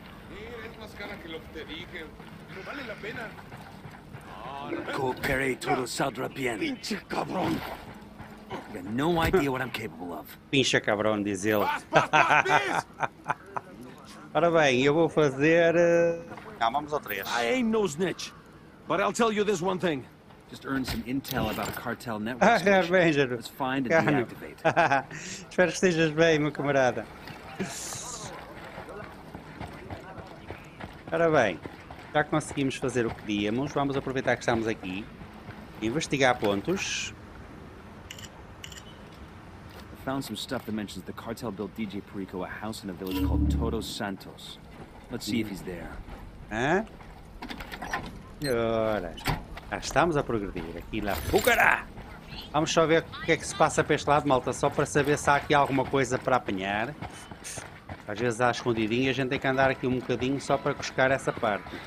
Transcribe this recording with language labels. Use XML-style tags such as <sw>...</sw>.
<es>Mira, es más cara que lo que te dije. Pero vale la pena. Coopere y todo saldrá bien. Pinche cabrón.</es> <en>You have no idea what I'm capable of.</en> <es>Pinche cabrón,</es> <pt>diz ele. Ora bem, eu vou fazer... Não, vamos ao 3.</pt> <en>I ain't no snitch. But I'll tell you this one thing. Just earn some intel about a cartel network. Let's find and deactivate.</en> <pt>Espero que estejas bem, meu camarada. Ora bem, já conseguimos fazer o que queríamos. Vamos aproveitar que estamos aqui. Investigar pontos.</pt> <en>Found some stuff that mentions the cartel built DJ Perico a house in a village called Todo Santos. Let's see if he's there.</en> <pt>Ora, já estamos a progredir aqui lá. Fugará! Vamos só ver o que é que se passa para este lado, malta, só para saber se há aqui alguma coisa para apanhar. Às vezes há escondidinho e a gente tem que andar aqui um bocadinho só para cuscar essa parte.</pt>